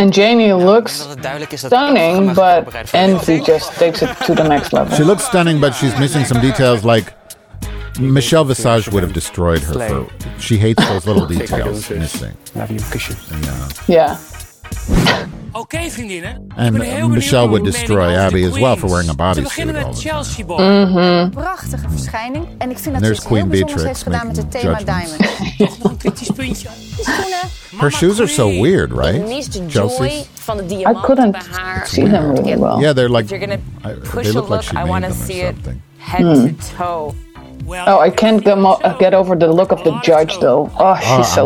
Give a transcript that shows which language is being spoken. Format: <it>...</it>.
<en>And Janie looks stunning, but Envy just takes it to the next level. She looks stunning, but she's missing some details like Michelle Visage would have destroyed her for. She hates those little details missing. Love you, kiss you. Yeah.</en> <nl>Okay, vriendinnen.</nl> <en>And Michelle would destroy Abby as well for wearing a bodysuit.</en> <nl>We beginnen met Chelsea Boy. Prachtige verschijning. En ik vind dat ze heel Queen Beatrix heeft gedaan met het thema Diamond.</nl> <en>Her shoes are so weird, right? Chelsea's. I couldn't see them really well. Yeah, they're like. If you're gonna push they look a look, like I want to see it head to toe. Oh, I can't get over the look of the judge, though. Oh, she's so</en>